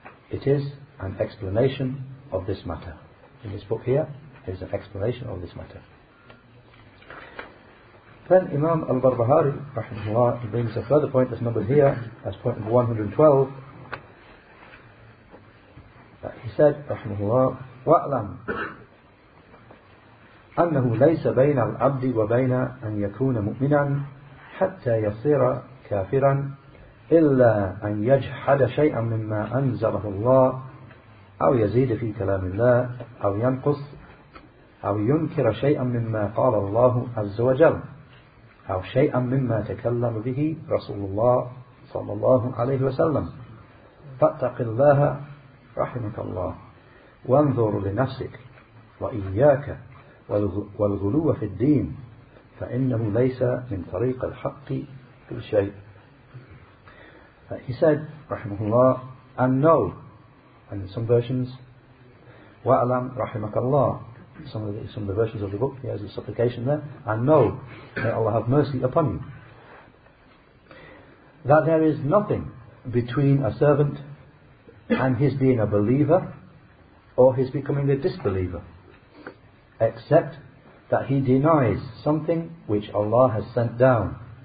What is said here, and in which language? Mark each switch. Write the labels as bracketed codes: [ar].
[en] It is an explanation of this matter. In this book here, it is an explanation of this matter. Then Imam al-Barbahari rahimahullah brings a further point that's numbered here as point number 112. He said rahimahullah, [ar] وَأَلَمْ أَنَّهُ لَيْسَ بَيْنَ الْعَبْدِ وَبَيْنَ أَنْ يَكُونَ مُؤْمِنًا حَتَّى يَصِيرَ كَافِرًا إِلَّا أَنْ يَجْحَدَ شَيْئًا مِمَّا أَنْزَلَهُ اللَّهُ أَوْ يَزِيدَ فِي كَلَامِ اللَّهِ أَوْ يَنْقُصْ أَوْ يُنْكِرَ شَيْئًا مِمَّا قَالَ اللَّهُ عَزَّ وَجَلَّ أو شيئا مما تكلم به رسول الله صلى الله عليه وسلم. فاتق الله رحمك الله وانظر لنفسك وإياك والغلو في الدين فإنه ليس من طريق الحق في الشيء. [en] He said رحمه الله, and know, and in some versions [ar] وَأَلَمْ رَحِمَكَ اللَّهُ, [en] some of the versions of the book, he has a supplication there, and know, may Allah have mercy upon you, that there is nothing between a servant and his being a believer or his becoming a disbeliever, except that he denies something which Allah has sent down,